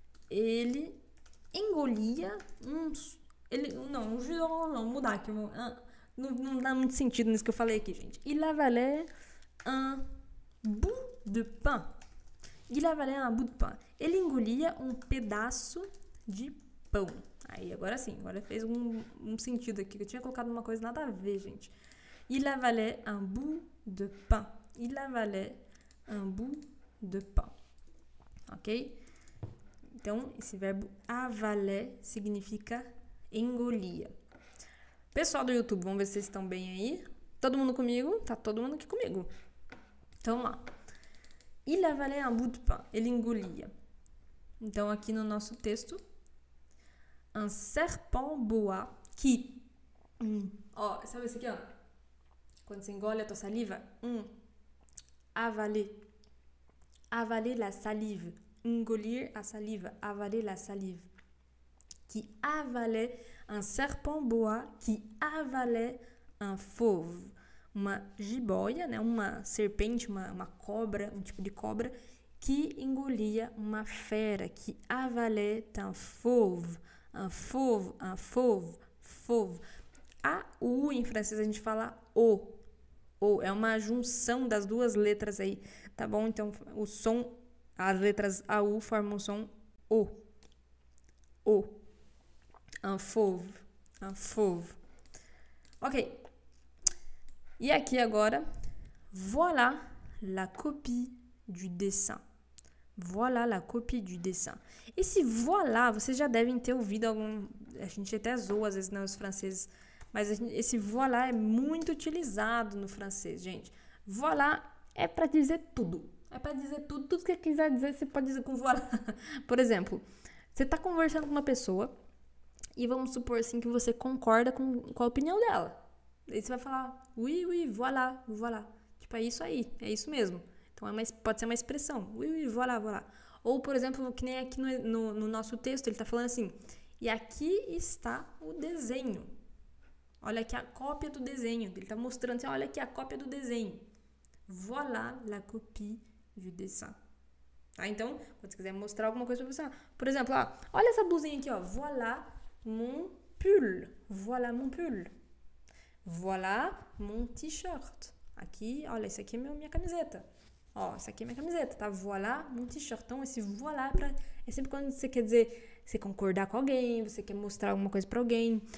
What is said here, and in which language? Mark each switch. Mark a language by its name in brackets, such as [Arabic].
[Portuguese] Ele engolia um [French] jus d'orange, [Portuguese] não, mudar aqui, não dá muito sentido nisso que eu falei aqui, gente. [French] Il avalait un bout de pain. Il avalait un bout de pain. [Portuguese] Ele engolia um pedaço de pão. Aí, agora sim, agora fez um sentido aqui, que eu tinha colocado uma coisa nada a ver, gente. [French] Il avalait un bout de pain. Il avalait un bout de pain. [Portuguese] Ok? Então, esse verbo avaler significa engolia. Pessoal do YouTube, vamos ver se vocês estão bem aí. Todo mundo comigo? Tá todo mundo aqui comigo. Então, vamos lá. [French] Il avalait un bout de pain. [Portuguese] Ele engolia. Então, aqui no nosso texto. [French] Un serpent bois qui... [Portuguese] sabe esse aqui, ó? Quando você engole a tua saliva. [French] Avaler. Avaler la salive. [Portuguese] Engolir a saliva, [French] avaler la salive. qui avalait un serpent boa qui avalait un fauve. [Portuguese] Uma jiboia, né? Uma serpente, uma cobra, um tipo de cobra, que engolia uma fera, [French] que avalait un fauve. Un fauve, un fauve, fauve. [Portuguese] A U em francês a gente fala O. O é uma junção das duas letras aí, tá bom? Então, o som, as letras A U formam o som O. O. [French] Un fauve, un fauve. Ok. [Portuguese] E aqui agora, [French] voilà la copie du dessin. Voilà la copie du dessin. [Portuguese] Esse voilà, vocês já devem ter ouvido algum... A gente até zoa, às vezes, né, os franceses. Mas esse voilà é muito utilizado no francês, gente. Voilà é para dizer tudo. É para dizer tudo. Tudo que você quiser dizer, você pode dizer com voilà. Por exemplo, você está conversando com uma pessoa e vamos supor assim que você concorda com a opinião dela. Aí você vai falar, [French] oui, oui, voilà, voilà. [Portuguese] Tipo, é isso aí, é isso mesmo. Então, é uma, pode ser uma expressão. [French] Oui, oui, voilà, voilà. [Portuguese] Ou, por exemplo, que nem aqui no nosso texto, ele tá falando assim, e aqui está o desenho. Olha aqui a cópia do desenho. Ele tá mostrando assim, olha aqui a cópia do desenho. [French] Voilà la copie du dessin. [Portuguese] Tá? Então, quando você quiser mostrar alguma coisa pra você, por exemplo, ó, olha essa blusinha aqui, ó. [French] Voilà mon pull. Voilà mon pull. Voilà mon t-shirt. [Portuguese] Aqui, olha, isso aqui é minha camiseta. Ó, isso aqui é minha camiseta, tá? [French] Voilà mon t-shirt. [Portuguese] Então, esse voilà pra, é sempre quando você quer dizer, você concordar com alguém, você quer mostrar alguma coisa pra alguém.